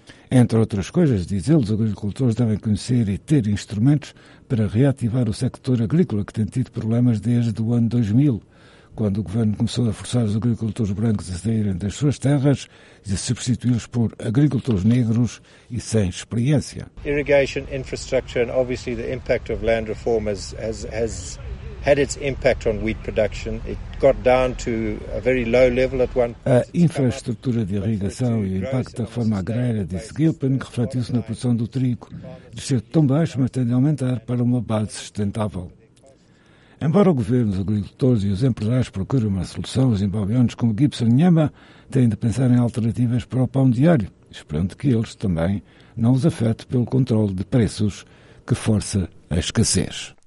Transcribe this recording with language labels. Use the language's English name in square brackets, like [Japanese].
[Portuguese] Entre outras coisas, diz ele, os agricultores devem conhecer e ter instrumentos para reativar o sector agrícola que tem tido problemas desde o ano 2000, quando o governo começou a forçar os agricultores brancos a saírem das suas terras e a substituí-los por agricultores negros e sem experiência. [English] Irrigation infrastructure and obviously the impact of land reform has had its impact on wheat production. It got down to a very low level at one point. [Portuguese] A infraestrutura de irrigação e o impacto da reforma agrária, disse Gilpin, refletiu-se na produção do trigo, desceu tão baixo, mas tende a aumentar para uma base sustentável. Embora o governo, os agricultores e os empresários procurem uma solução, os zimbabuianos como Gibson Nyema têm de pensar em alternativas para o pão diário, esperando que eles também não os afete pelo controle de preços que força a escassez.